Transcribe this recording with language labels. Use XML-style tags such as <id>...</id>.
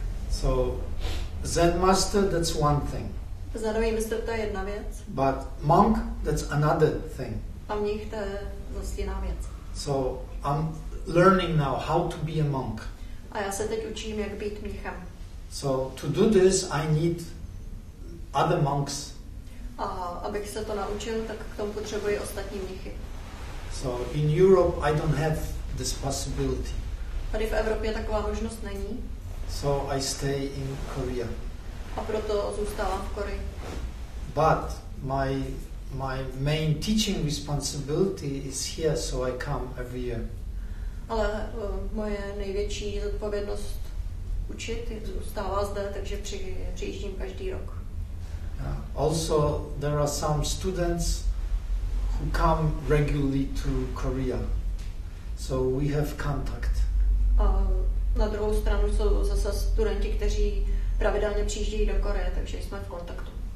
<en>So, Zen master, that's one thing.</en> <cs>Zároveň mistr, to je jedna věc.</cs> <en>But monk, that's another thing.</en> <cs>A mnich, to je zase jiná věc.</cs> <en>So I'm learning now how to be a monk.</en> <cs>A já se teď učím, jak být mnichem.</cs> <en>So to do this, I need other monks.</en> <cs>A abych se to naučil, tak k tomu potřebuji ostatní mnichy.</cs> <en>So in Europe, I don't have this possibility.</en> <cs>Tady v Evropě taková možnost není.</cs> <en>So I stay in Korea.</en> <cs>A proto zůstávám v Koreji.</cs> <en>But my main teaching responsibility is here, so I come every year.</en> <cs>Ale moje největší zodpovědnost učit zůstává zde, takže přijíždím každý rok.</cs> <en>Yeah. Also, there are some students who come regularly to Korea, so we have contact.</en> <cs>A na druhou stranu jsou zase studenti, kteří pravidelně přijíždějí do Koreje, takže jsme v kontaktu.</cs>